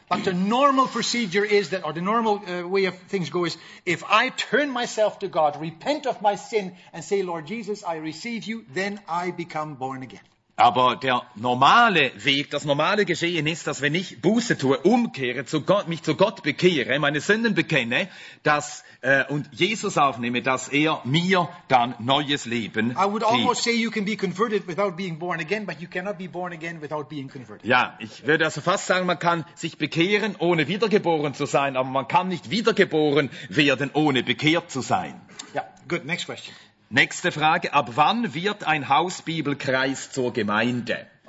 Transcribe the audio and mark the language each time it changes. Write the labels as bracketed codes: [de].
[en] But the normal procedure is that, or the normal way of things go is, if I turn myself to God, repent of my sin and say, Lord Jesus, I receive you, then I become born again. [de] Aber der normale Weg, das normale Geschehen ist, dass wenn ich Buße tue, umkehre, zu Gott, mich zu Gott bekehre, meine Sünden bekenne, dass, und Jesus aufnehme, dass er mir dann neues Leben gibt. [en] I would almost say you can be converted without being born again, but you cannot be born again without being converted. [de] Ja, ich würde also fast sagen, man kann sich bekehren, ohne wiedergeboren zu sein, aber man kann nicht wiedergeboren werden, ohne bekehrt zu sein. [en] Ja, good, next question. [de] Nächste Frage, ab wann wird ein Hausbibelkreis zur Gemeinde?